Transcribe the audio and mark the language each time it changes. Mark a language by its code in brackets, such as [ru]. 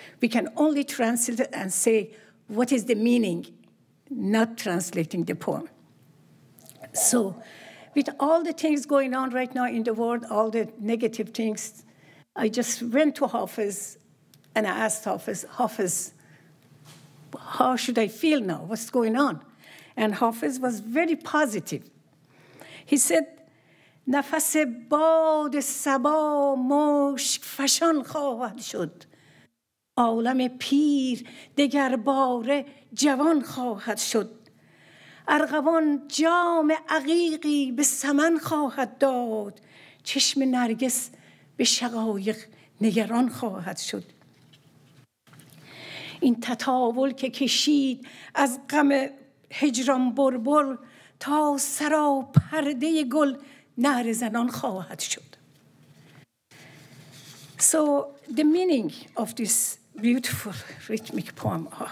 [en] We can only translate it and say, what is the meaning, not translating the poem. So with all the things going on right now in the world, all the negative things, I just went to Hafez and I asked Hafez, Hafez, how should I feel now? What's going on? And Hafez was very positive. He said, [fa] نفس باد سبا مشک فشان خواهد شد. عالم پیر دگر باره جوان خواهد شد. ارغوان جام عقیقی به سمن خواهد داد. چشم نرگس به شقایق نگران خواهد شد. این تطاول که کشید از غم هجران بربر تا سرا پرده گل نهر زنان خواهد شد. [en] So the meaning of this beautiful rhythmic poem.